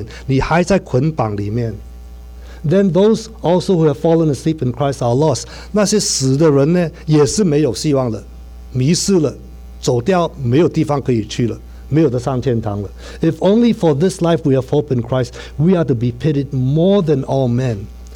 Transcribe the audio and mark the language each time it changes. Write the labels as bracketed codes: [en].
[zh] 你还在追踪，就是你的罪不得到赦免，你还在捆绑里面。 [en] Then those also who have fallen asleep in Christ are lost. [zh] 那些死的人呢，也是没有希望的。迷失了，走掉，没有地方可以去了，没有得上天堂了。If [en] only for this life we have hope in Christ, we are to be pitied more than all men.